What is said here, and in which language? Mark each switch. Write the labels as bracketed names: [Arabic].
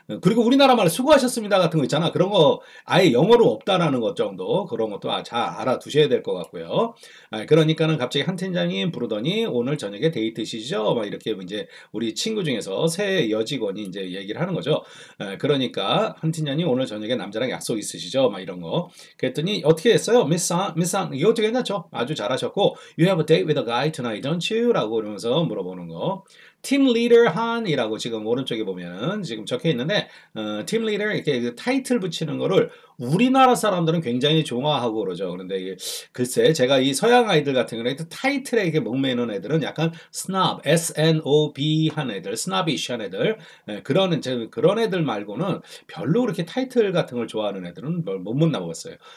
[Korean] 그리고 우리나라 말 수고하셨습니다 같은 거 있잖아. 그런 거 아예 영어로 없다라는 것 정도 그런 것도 잘 알아두셔야 될것 같고요. 그러니까는 갑자기 한 팀장님 부르더니 오늘 저녁에 데이트시죠? 막 이렇게 이제 우리 친구 중에서 새 여직원이 이제 얘기를 하는 거죠. 그러니까 한티냐님 오늘 저녁에 남자랑 약속 있으시죠? 막 이런 거. 그랬더니 어떻게 했어요? 미쌍, 이거 어떻게 했냐죠? 아주 잘하셨고, [English] You have a date with a guy tonight, don't you? [Korean] 라고 그러면서 물어보는 거. Team leader Han이라고 지금 오른쪽에 보면 지금 적혀 있는데, Team leader 이렇게 타이틀 붙이는 거를 우리나라 사람들은 굉장히 좋아하고 그러죠. 그런데 글쎄, 제가 이 서양 아이들 같은 경우에 타이틀에 이렇게 목매는 애들은 약간 snob, S-N-O-B 한 애들, snobbish 한 애들, 그런 애들 말고는 별로 그렇게 타이틀 같은 걸 좋아하는 애들은 못 만나보겠어요.